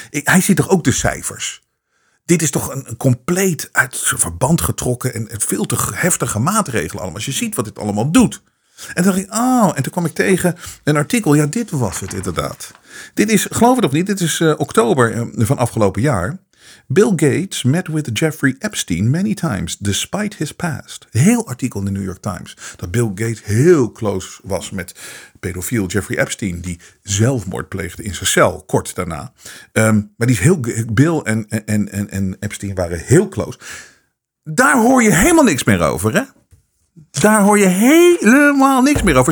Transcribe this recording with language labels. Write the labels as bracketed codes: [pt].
[nl] Hij ziet toch ook de cijfers? Dit is toch een compleet uit verband getrokken en veel te heftige maatregelen allemaal. Als je ziet wat dit allemaal doet. En toen dacht ik, oh, en toen kwam ik tegen een artikel. Ja, dit was het inderdaad. Dit is, geloof het of niet, dit is oktober van afgelopen jaar. [en] Bill Gates met with Jeffrey Epstein many times, despite his past. [nl] Heel artikel in de New York Times. Dat Bill Gates heel close was met pedofiel Jeffrey Epstein, die zelfmoord pleegde in zijn cel kort daarna. Maar die is heel, Bill en Epstein waren heel close. Daar hoor je helemaal niks meer over, hè? Daar hoor je helemaal niks meer over.